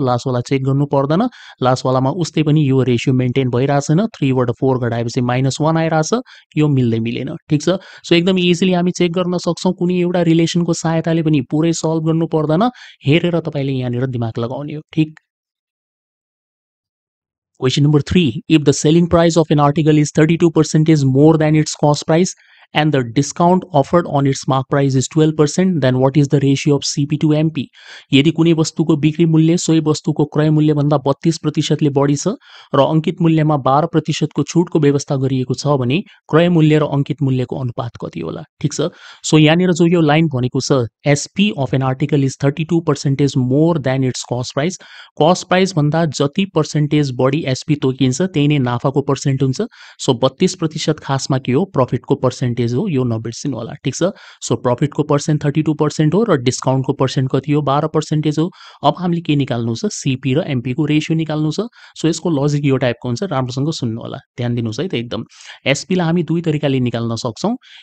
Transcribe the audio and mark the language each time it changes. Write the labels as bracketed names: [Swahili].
[Nepali] लास्टवाला check गर्नु पर्दैन, लास्टवालामा उस्तै पनि यो रेसियो मेन्टेन भइरहेछन, 3/4 घटाएपछि -1 आइरहेछ, यो मिल्दै मिलेन। ठिक छ। सो एकदम इजिली हामी चेक गर्न सक्छौँ कुनै एउटा रिलेसनको सहायताले पनि, पुरै सल्भ गर्नु पर्दैन, हेरेर तपाईँले यहाँनिर दिमाग लगाउने हो। ठिक। [English] Question number 3, if the selling price of an article is 32% more than its cost price and the discount offered on its mark price is 12%, then what is the ratio of CP to MP? [Nepali] यदि कुनै वस्तुको बिक्री मूल्य सोही वस्तुको क्रय मूल्य भन्दा 32% ले बढी छ र अंकित मूल्यमा 12% को छूटको व्यवस्था गरिएको छ भने क्रय मूल्य र अंकित मूल्यको अनुपात कति होला? ठीक छ? सो यहाँनिर जो यो लाइन भनेको छ [English] SP of an article is 32% more than its cost price [Nepali] भन्दा जति percentage बढी SP तोकिन्छ त्यही नै नाफाको percent हुन्छ सो 32% खासमा के हो प्रॉफिटको percentage हो यो नबिर्सिनु होला ठीक छ सो प्रॉफिटको percent 32% हो र डिस्काउन्टको percent कति हो 12% हो अब हामीले के निकाल्नु छ CP र MP को रेशियो निकाल्नु छ सो यसको लॉजिक यो टाइपको हुन्छ राम्रोसँग सुन्नु होला ध्यान दिनुस् है त एकदम SP ला हामी दुई तरिकाले निकाल्न सक्छौ